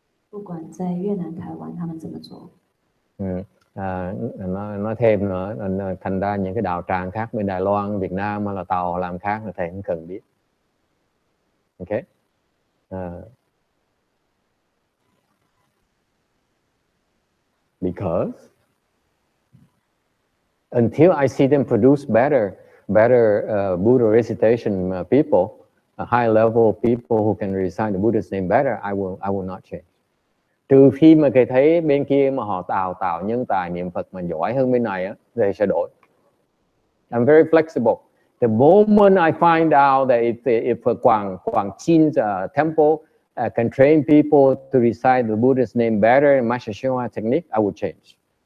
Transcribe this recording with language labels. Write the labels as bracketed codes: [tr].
[zh] 不管在越南、台湾，他们怎么做。 [vi] Nói thêm nữa, thành ra những cái đạo tràng khác bên Đài Loan, Việt Nam hay là Tàu làm khác thì thầy không cần biết. [en] Ok. Because until I see them produce better Buddha recitation people, a high level people who can recite the Buddha's name better, I will not change. [vi] Trừ khi mà thầy thấy bên kia mà họ tạo nhân tài niệm Phật mà giỏi hơn bên này á, thầy sẽ đổi. [en] I'm very flexible. The moment I find out that if Quảng Trinh's temple can train people to recite the Buddha's name better in Master Shen Huang technique, I will change.